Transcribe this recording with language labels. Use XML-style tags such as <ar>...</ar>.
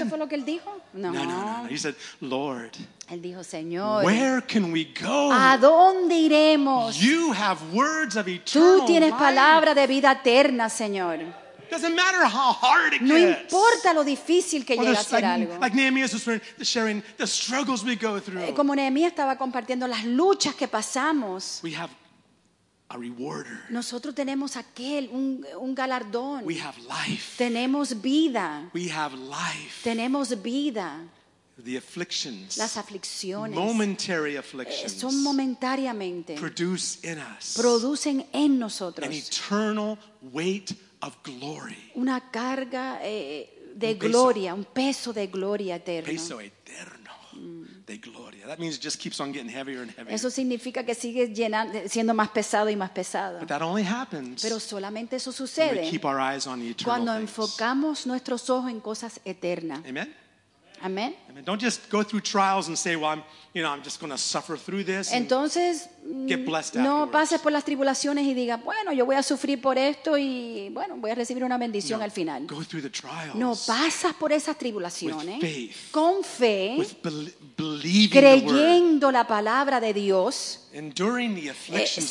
<es>¿Eso fue lo que él dijo? No.</es> <en>He said, Lord.</en> <es>Él dijo, Señor,</es> <en>where can we go?</en> <es>¿A dónde iremos?</es> <en>You have words of eternal life.</en> <es>Tú tienes palabra de vida eterna, Señor.</es> <en>Doesn't matter how hard it gets.</en> <es>No importa lo difícil que llegue a ser algo.</es> <en>Like Nehemiah was sharing the struggles we go through.</en> <es>Como Nehemiah estaba compartiendo las luchas que pasamos.</es> <en>We have a rewarder.</en> <es>Nosotros tenemos aquel un galardón.</es> <en>We have life.</en> <es>Tenemos vida.</es> <en>We have life.</en> <es>Tenemos vida.</es> <en>The afflictions,</en> <es>las aflicciones,</es> <en>momentary afflictions,</en> <es>son momentariamente,</es> <en>produce in us,</en> <es>producen en nosotros,</es> <en>an eternal weight of glory,</en> <es>una carga de un peso, gloria, un peso de gloria eterno, peso eterno de gloria.</es> <en>That means it just keeps on getting heavier and heavier.</en> <es>Eso significa que sigue llenando, siendo más pesado y más pesado.</es> <en>But that only happens.</en> <es>Pero solamente eso sucede.</es> <en>We keep our eyes on the eternal</en> <es>cuando</es> <en>things.</en> <es>Enfocamos nuestros ojos en cosas eternas.</es> <en>Amen.</en> <es>Amen.</es> <en>I mean, don't just go through trials and say, "Well, I'm just going to suffer through this."</en> <es>Entonces,</es> <en>and get blessed</en> <es>no</es> <en>afterwards.</en> <es>Pases por las tribulaciones y diga, "Bueno, yo voy a sufrir por esto y bueno, voy a recibir una bendición no, al final."</es> <en>Go through the trials.</en> <es>No pasas por esas tribulaciones.</es> <en>With faith,</en> <es>con fe.</es> <en>With believing</en> <es>creyendo</es> <en>the word,</en> <es>la palabra de Dios.</es> <en>Enduring the afflictions</en>